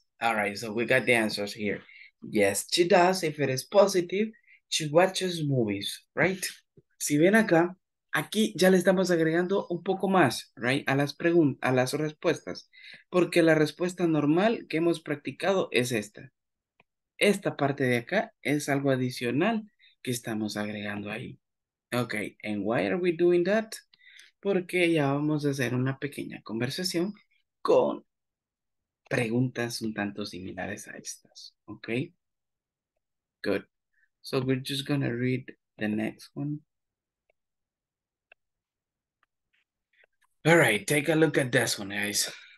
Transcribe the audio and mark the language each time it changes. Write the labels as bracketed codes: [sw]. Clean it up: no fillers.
[en] All right, so we got the answers here. Yes, she does. If it is positive, she watches movies, right? [es] Si ven acá, aquí ya le estamos agregando un poco más, right? A las respuestas. Porque la respuesta normal que hemos practicado es esta. Esta parte de acá es algo adicional que estamos agregando ahí. [en] Okay, and why are we doing that? [es] Porque ya vamos a hacer una pequeña conversación con preguntas un tanto similares a estas. [en] Okay? Good. So we're just going to read the next one. All right, take a look at this one, guys.